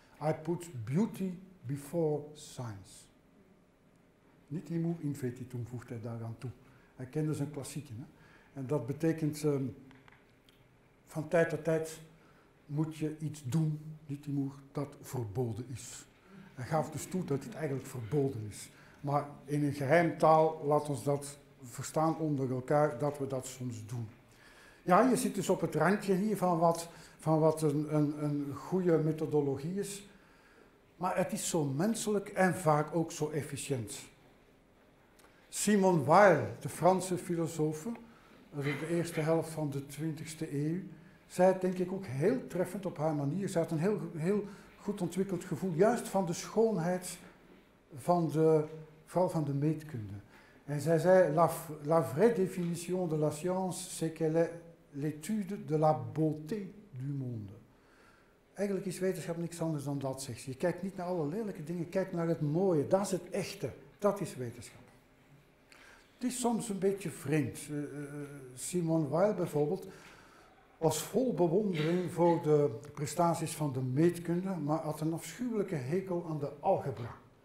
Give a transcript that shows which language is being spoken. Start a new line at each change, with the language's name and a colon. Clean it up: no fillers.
English: I put beauty before science.
Latin: Niet imu in vetitum,
Dutch: voegt hij daaraan toe. Hij kende zijn klassieken. Hè? En dat betekent, van tijd tot tijd moet je iets doen, niet imoer, dat verboden is. Hij gaf dus toe dat het eigenlijk verboden is. Maar in een geheim taal, laat ons dat verstaan onder elkaar, dat we dat soms doen. Ja, je zit dus op het randje hier van wat een goede methodologie is. Maar het is zo menselijk en vaak ook zo efficiënt. Simone Weil, de Franse filosoof, de eerste helft van de 20e eeuw, zij denk ik ook heel treffend op haar manier. Ze had een heel goed ontwikkeld gevoel, juist van de schoonheid van de, vooral van de meetkunde. En zij zei,
French: la vraie définition de la science, c'est qu'elle est l'étude de la beauté du monde.
Dutch: Eigenlijk is wetenschap niks anders dan dat, zegt ze. Je kijkt niet naar alle lelijke dingen, kijk naar het mooie. Dat is het echte, dat is wetenschap. Het is soms een beetje vreemd. Simone Weil bijvoorbeeld was vol bewondering voor de prestaties van de meetkunde, maar had een afschuwelijke hekel aan de algebra.